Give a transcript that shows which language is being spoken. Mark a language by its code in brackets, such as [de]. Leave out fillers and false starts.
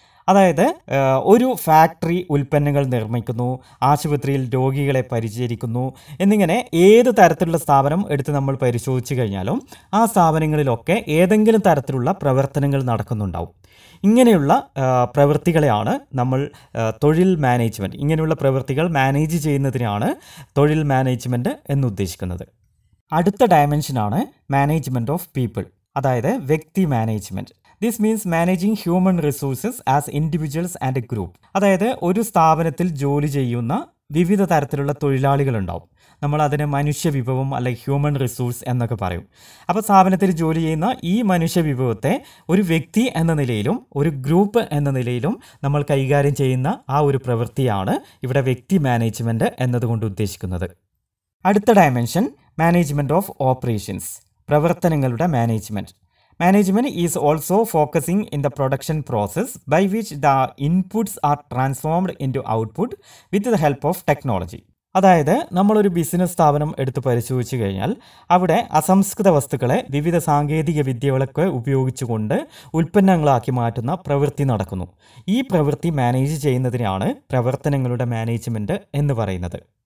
[ml] അതായത് ഒരു ഫാക്ടറി ഉൽപ്പന്നങ്ങൾ നിർമ്മിക്കുന്നു, ആശുപത്രിയിൽ രോഗികളെ പരിചരിക്കുന്നു എന്നിങ്ങനെ ഏത് തരത്തിലുള്ള സ്ഥാപനം എടുത്ത് നമ്മൾ പരിശോധിച്ചു കഴിഞ്ഞാലും ആ സ്ഥാപനങ്ങളിലൊക്കെ ഏതെങ്കിലും തരത്തിലുള്ള പ്രവർത്തനങ്ങൾ നടക്കുന്നുണ്ടാവും. ഇങ്ങനെയുള്ള പ്രവൃത്തികളെയാണ് നമ്മൾ തൊഴിൽ മാനേജ്മെൻറ്റ്, ഇങ്ങനെയുള്ള പ്രവൃത്തികൾ മാനേജ് ചെയ്യുന്നതിനാണ് തൊഴിൽ മാനേജ്മെൻറ്റ് എന്നുദ്ദേശിക്കുന്നത്. അടുത്ത ഡയമെൻഷനാണ് മാനേജ്മെൻറ്റ് ഓഫ് പീപ്പിൾ, അതായത് വ്യക്തി management. [en] This means managing human resources as individuals and a group. [ml] അതായത് ഒരു സ്ഥാപനത്തിൽ ജോലി ചെയ്യുന്ന വിവിധ തരത്തിലുള്ള തൊഴിലാളികളുണ്ടാവും. നമ്മൾ അതിനെ മനുഷ്യവിഭവം അല്ലെങ്കിൽ ഹ്യൂമൻ റിസോഴ്സ് എന്നൊക്കെ പറയും. അപ്പോൾ സ്ഥാപനത്തിൽ ജോലി ചെയ്യുന്ന ഈ മനുഷ്യവിഭവത്തെ ഒരു വ്യക്തി എന്ന നിലയിലും ഒരു ഗ്രൂപ്പ് എന്ന നിലയിലും നമ്മൾ കൈകാര്യം ചെയ്യുന്ന ആ ഒരു പ്രവൃത്തിയാണ് ഇവിടെ വ്യക്തി മാനേജ്മെൻറ്റ് എന്നതുകൊണ്ട് ഉദ്ദേശിക്കുന്നത്. അടുത്ത ഡയമെൻഷൻ മാനേജ്മെൻറ്റ് ഓഫ് ഓപ്പറേഷൻസ്, പ്രവർത്തനങ്ങളുടെ management. [en] Management is also focusing in the production process by which the inputs are transformed into output with the help of technology. [ml] അതായത് നമ്മളൊരു ബിസിനസ് സ്ഥാപനം എടുത്ത് പരിശോധിച്ചു കഴിഞ്ഞാൽ അവിടെ അസംസ്കൃത വസ്തുക്കളെ വിവിധ സാങ്കേതിക വിദ്യകളൊക്കെ ഉപയോഗിച്ചുകൊണ്ട് ഉൽപ്പന്നങ്ങളാക്കി മാറ്റുന്ന പ്രവൃത്തി നടക്കുന്നു. ഈ പ്രവൃത്തി മാനേജ് ചെയ്യുന്നതിനാണ് പ്രവർത്തനങ്ങളുടെ മാനേജ്മെൻറ്റ് എന്ന് പറയുന്നത്.